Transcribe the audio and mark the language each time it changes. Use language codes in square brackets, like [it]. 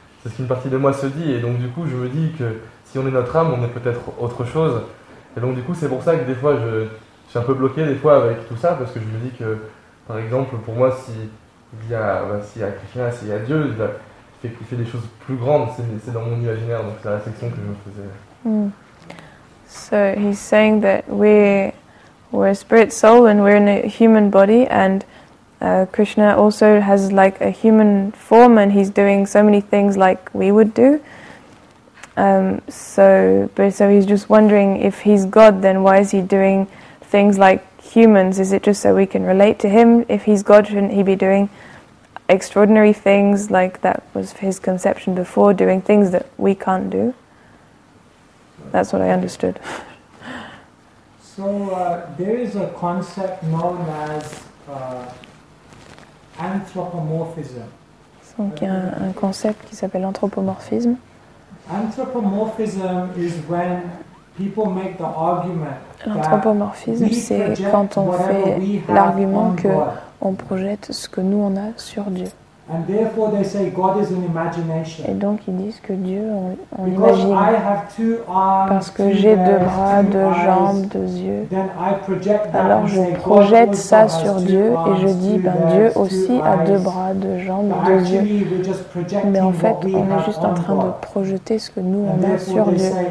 [fr] C'est ce qu'une partie de moi se dit. Et donc du coup, je me dis que si on est notre âme, on est peut-être autre chose. Et donc du coup, c'est pour ça que des fois, je suis un peu bloqué des fois avec tout ça, parce que je me dis que, par exemple, pour moi, s'il y a Krishna, s'il y a Dieu, il fait des choses plus grandes, c'est dans mon imaginaire, donc c'est la réflexion que je me faisais. [en] So he's saying that we're a spirit soul and we're in a human body, and Krishna also has like a human form, and he's doing so many things like we would do. So he's just wondering, if he's God, then why is he doing things like humans? Is it just so we can relate to him? If he's God, shouldn't he be doing extraordinary things, like that was his conception before, doing things that we can't do? That's what I understood. So there is a concept known as anthropomorphism. [fr] Donc il y a un concept qui s'appelle anthropomorphisme. [en] Anthropomorphism is when people make the argument. [fr] L'anthropomorphisme, c'est quand on fait l'argument que on projette ce que nous on a sur Dieu. [en] And therefore they say God is an imagination. [fr] Et donc ils disent que Dieu, on imagine. Parce que j'ai deux bras, deux jambes, deux yeux. Alors je projette ça sur Dieu et je dis, ben Dieu aussi a deux bras, deux jambes, deux yeux. Mais en fait, on est juste en train de projeter ce que nous on a sur Dieu.